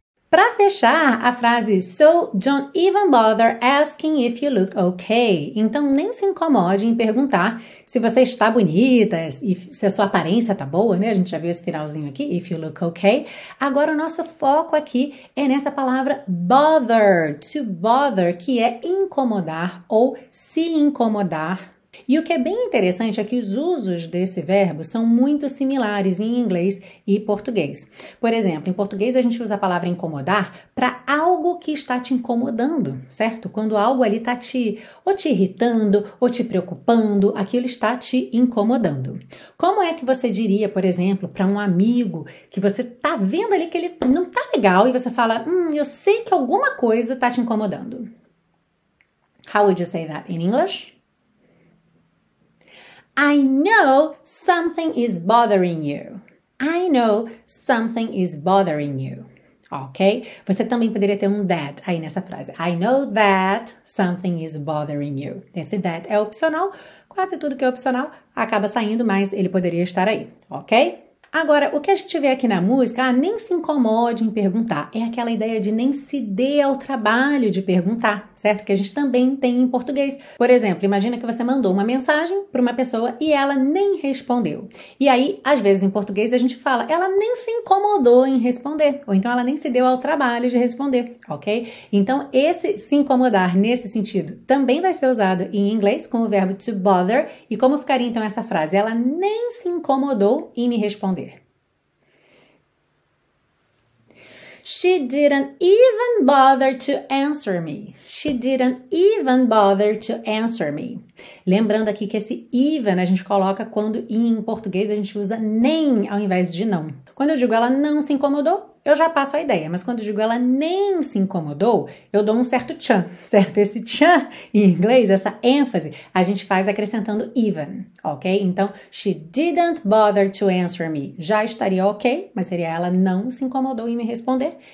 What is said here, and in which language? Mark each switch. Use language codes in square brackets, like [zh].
[pt] Para fechar a frase, [en] so don't even bother asking if you look okay. [pt] Então, nem se incomode em perguntar se você está bonita, se a sua aparência tá boa, né? A gente já viu esse finalzinho aqui, [en] if you look okay. [pt] Agora, o nosso foco aqui é nessa palavra bother, to bother, que é incomodar ou se incomodar. E o que é bem interessante é que os usos desse verbo são muito similares em inglês e português. Por exemplo, em português a gente usa a palavra incomodar para algo que está te incomodando, certo? Quando algo ali está te irritando ou te preocupando, aquilo está te incomodando. Como é que você diria, por exemplo, para um amigo que você está vendo ali que ele não está legal e você fala, eu sei que alguma coisa está te incomodando? [en] How would you say that in English? I know something is bothering you. I know something is bothering you. Ok? [pt] Você também poderia ter that aí nessa frase. [en] I know that something is bothering you. [pt] Esse that é opcional. Quase tudo que é opcional acaba saindo, mas ele poderia estar aí. Ok? Agora, o que a gente vê aqui na música, nem se incomode em perguntar. É aquela ideia de nem se dê ao trabalho de perguntar, certo? Que a gente também tem em português. Por exemplo, imagina que você mandou uma mensagem para uma pessoa e ela nem respondeu. E aí, às vezes, em português, a gente fala, ela nem se incomodou em responder. Ou então, ela nem se deu ao trabalho de responder, ok? Então, esse se incomodar nesse sentido também vai ser usado em inglês com o verbo to bother. E como ficaria, então, essa frase? Ela nem se incomodou em me responder. [en] She didn't even bother to answer me. She didn't even bother to answer me. [pt] Lembrando aqui que esse even a gente coloca quando em português a gente usa nem ao invés de não. Quando eu digo ela não se incomodou, eu já passo a ideia, mas quando eu digo ela nem se incomodou, eu dou um certo tchan, certo? Esse tchan em inglês, essa ênfase, a gente faz acrescentando even, ok? [en] Então, she didn't bother to answer me. [pt] Já estaria ok, mas seria ela não se incomodou em me responder.